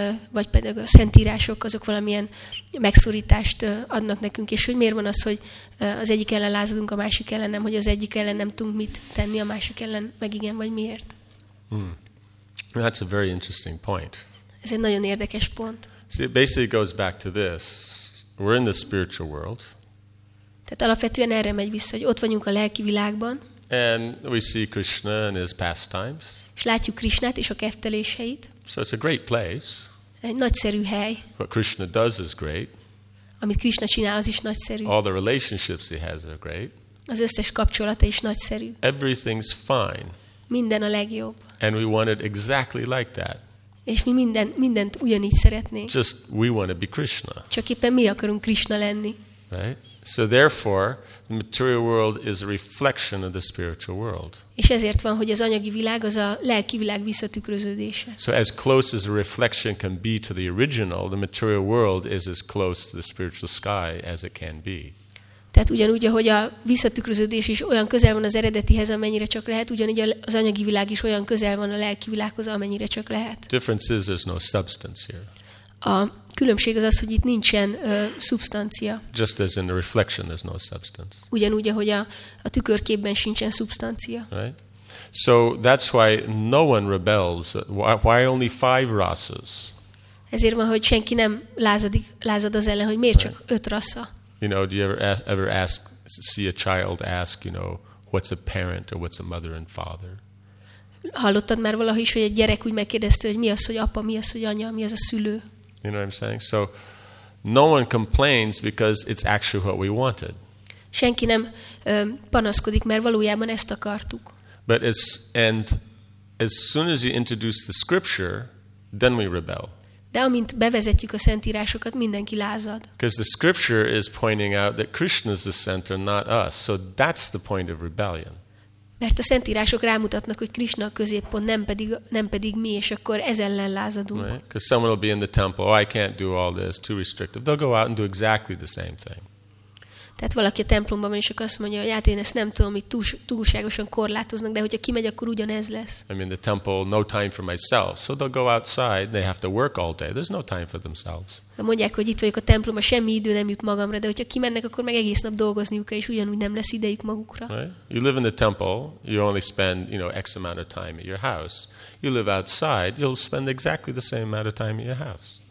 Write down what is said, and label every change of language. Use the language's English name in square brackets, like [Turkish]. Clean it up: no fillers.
[Hungarian] vagy pedig a szentírások, azok valamilyen megszorítást adnak nekünk, és hogy miért van az, hogy az egyik ellen lázadunk, a másik ellen nem, hogy az egyik ellen nem tudunk mit tenni, a másik ellen meg igen, vagy miért? [English] That's a very interesting point. [Hungarian] Ez egy nagyon érdekes pont. [English] See, it basically goes back to this. We're in the spiritual world. [Hungarian] Tehát alapvetően erre megy vissza, hogy ott vagyunk a lelki világban. [English] And we see Krishna and his pastimes. [Hungarian] És látjuk Krishnát és a kefteléseit. [English] So it's a great place. [Hungarian] Egy nagyszerű hely. [English] What Krishna does is great. [Hungarian] Amit Krishna csinál, az is nagyszerű. [English] All the relationships he has are great. [Hungarian] Az összes kapcsolata is nagyszerű. [English] Everything's fine. [Hungarian] Minden a legjobb. [English] And we want it exactly like that. [Hungarian] És mi mindent ugyanígy szeretnénk. [English] Just we want to be Krishna. [Hungarian] Csak éppen mi akarunk Krishna lenni. [English] Right? So therefore, the material world is a reflection of the spiritual world. [Hungarian] És ezért van, hogy az anyagi világ az a lelki világ visszatükröződése. [English] So as close as a reflection can be to the original, the material world is as close to the spiritual sky as it can be. [Hungarian] Tehát ugyanúgy, ahogy a visszatükröződés is olyan közel van az eredetihez, amennyire csak lehet, ugyanígy az anyagi világ is olyan közel van a lelki világhoz, amennyire csak lehet. [English] Difference is there's no substance here. [Hungarian] A különbség az az, hogy itt nincsen szubstancia. [English] Just as in the reflection, there's no substance. [Hungarian] Ugyanúgy, ahogy a tükörképben sincsen szubstancia. [English] Right. So that's why no one rebels. Why only five rasas? [Hungarian] Ezért van, hogy senki nem lázad az ellen, hogy miért right. Csak öt rasa. [English] You know, do you ever ask, see a child ask, you know, what's a parent or what's a mother and father? [Hungarian] Hallottad már valahogy is, hogy egy gyerek úgy megkérdezte, hogy mi az, hogy apa, mi az, hogy anya, mi az a szülő? [English] You know what I'm saying? So no one complains because it's actually what we wanted. [Hungarian] Senki nem panaszkodik, mert valójában ezt akartuk. [English] But as soon as you introduce the scripture, then we rebel. [Hungarian] De amint bevezetjük a szentírásokat, mindenki lázad. [English] Because the scripture is pointing out that Krishna is the center, not us. So that's the point of rebellion. [Hungarian] Mert a szentírások rámutatnak, hogy Krishna a középpont, nem pedig mi, és akkor ez ellen lázadunk. [English] Right? Because someone will be in the temple, oh, I can't do all this, too restrictive. They'll go out and do exactly the same thing. [Hungarian] Tehát valaki a templomban van, és akkor azt mondja, hogy hát én ezt nem tudom, hogy túlságosan korlátoznak, de hogyha kimegy, akkor ugyanez lesz. [English] I mean, the temple, no time for myself. So they'll go outside, they have to work all day. There's no time for themselves. [Hungarian] Mondják, hogy itt vagyok a templomban, semmi idő nem jut magamra, de hogyha kimennek, akkor meg egész nap dolgozniuk kell, és ugyanúgy nem lesz idejük magukra. [English] Right? You live in the temple, you only spend, you know, X amount of time at your house. You live outside, you'll spend exactly the same amount of time at your house.